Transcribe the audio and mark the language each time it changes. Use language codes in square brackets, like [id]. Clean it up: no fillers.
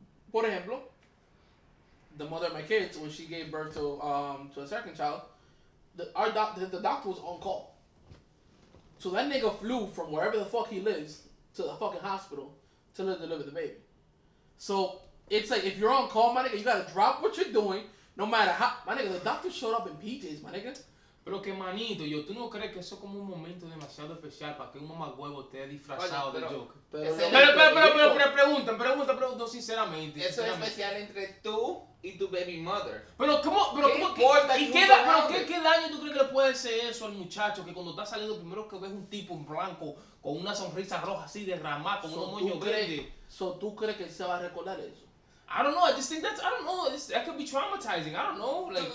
[es] Por ejemplo, [en] the mother of my kids, when she gave birth to a second child, the doctor was on call. So that nigga flew from wherever the fuck he lives to the fucking hospital to deliver the baby. So it's like, if you're on call, my nigga, you gotta drop what you're doing, no matter how. My nigga, the doctor showed up in PJs, my nigga. [es] Pero que manito, yo, tú no crees que eso es como un momento demasiado especial para que un mamagüevo esté disfrazado de Joker. Pero pregunta, sinceramente. Eso es especial entre tú y tu [en] baby mother. [es] Pero qué daño tú crees que le puede hacer eso al muchacho que cuando está saliendo, primero que ves un tipo en blanco con una sonrisa roja así de rama, con unos moños verdes. So, ¿tú crees que él se va a recordar eso? [en] I don't know. I just think that could be traumatizing. I don't know.